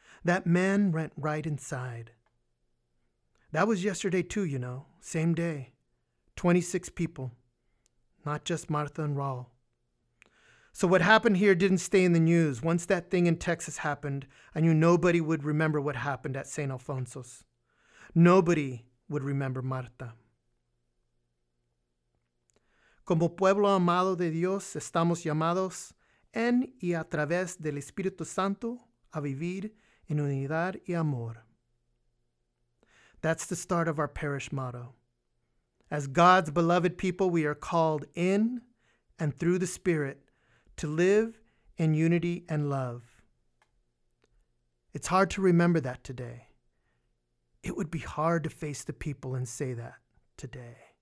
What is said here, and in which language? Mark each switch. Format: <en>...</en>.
<en>That man went right inside. That was yesterday too, you know, same day. 26 people. Not just Martha and Raul. So what happened here didn't stay in the news. Once that thing in Texas happened, I knew nobody would remember what happened at St. Alfonso's. Nobody would remember Martha.</en> <es>Como pueblo amado de Dios, estamos llamados en y a través del Espíritu Santo a vivir en unidad y amor.</es> <en>That's the start of our parish motto. As God's beloved people, we are called in and through the Spirit to live in unity and love. It's hard to remember that today. It would be hard to face the people and say that today.</en>